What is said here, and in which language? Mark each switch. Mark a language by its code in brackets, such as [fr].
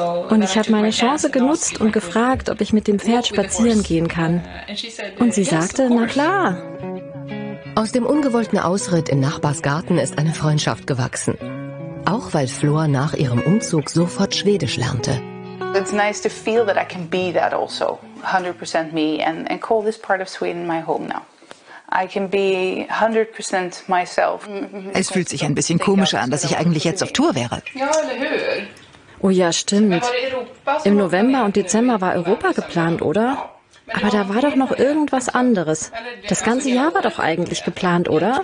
[de] Und ich habe meine Chance genutzt und gefragt, ob ich mit dem Pferd spazieren gehen kann. Und sie sagte, na klar. Aus dem ungewollten Ausritt in Nachbars Garten ist eine Freundschaft gewachsen. Auch weil Flor nach ihrem Umzug sofort Schwedisch lernte. [en] It's nice to feel that I can be that also, 100% me, and call this part of Sweden my home now. I can be 100% myself. [de] Es fühlt sich ein bisschen komisch an, dass ich eigentlich jetzt auf Tour wäre. Oh ja, stimmt. Im November und Dezember war Europa geplant, oder? Aber da war doch noch irgendwas anderes. Das ganze Jahr war doch eigentlich geplant, oder?